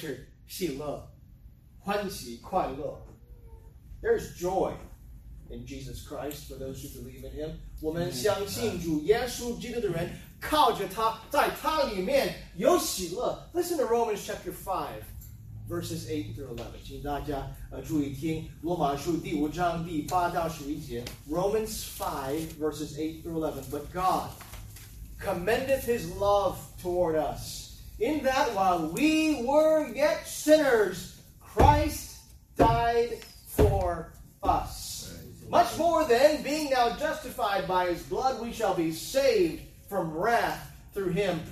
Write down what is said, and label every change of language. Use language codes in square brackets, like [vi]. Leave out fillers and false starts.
[zh] 主耶稣基督复活以后所赐给我们的礼物，第三个礼物就是喜乐，欢喜快乐. [en] There's joy in Jesus Christ for those who believe in Him. [zh] 我们相信主耶稣基督的人，靠着他，在他里面有喜乐. [en] Listen to Romans chapter 5, verses 8 through 11. [zh] 请大家注意听罗马书第五章第八到十一节. [en] Romans 5, verses 8 through 11. But God commendeth his love toward us, in that while we were yet sinners, Christ died for us. Much more then, being now justified by his blood, we shall be saved from wrath through him.